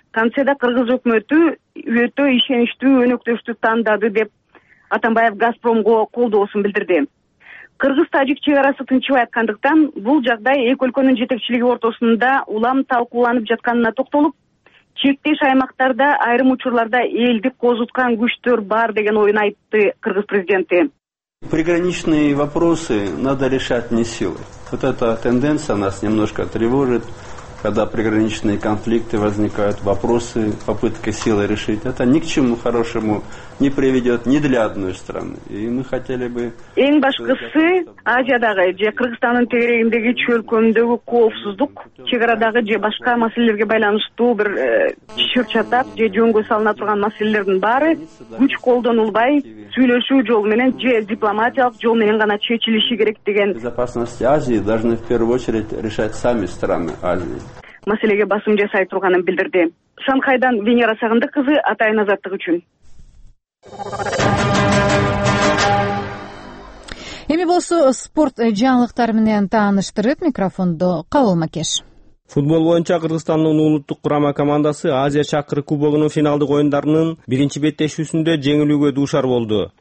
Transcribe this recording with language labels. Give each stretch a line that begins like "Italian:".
Kyrgyz: Кантсе да кыргыз өкмөтү өтө ишеничтүү өнөктөштү тандады, деп Атамбаев Газпромго колдоосун билдирди. Кыргыз тажик чек арасы тынчыбай аткандыктан бул жагдай эки өлкөнүн жетекчилиги ортосунда улам талкууланып жатканына токтолуп, чектеш аймактарда айрым учурларда элди козуткан күчтөр бар деген оюн айтты кыргыз президенти.
Russian: Приграничные вопросы надо решать не силой. Вот эта тенденция нас немножко тревожит. когда приграничные конфликты возникают, вопросы, попытка силы решить, это ни к чему хорошему не приведет ни для одной страны. И мы хотели бы...
Kyrgyz: Эң башкысы, Азиядагы, же Кыргызстандын тегерегиндеги чөлкөмдөгү коопсуздук, чекарадагы же башка маселелерге байланыштуу бир чыр чатап, же жөнгө салына турган маселелердин баары күч колдонулбай, сүйлөшүү жолу менен же дипломатиялык жол менен гана чечилиши керек деген.
Russian: Безопасность Азии должны в первую очередь решать сами страны Азии.
Kyrgyz: Маселеге басым жасай турганын билдирди. Шанхайдан Венера Сагындык кызы, Атайын Азаттык үчүн. Эми болсо спорт жаңылыктары менен тааныштырып микрофондо Кабыл Макеш. Футбол боюнча Кыргызстандын улуттук курама командасы Азия Чакыры Кубогунун финалдык оюндарынын биринчи беттешүүсүндө жеңилүүгө дуушар болду.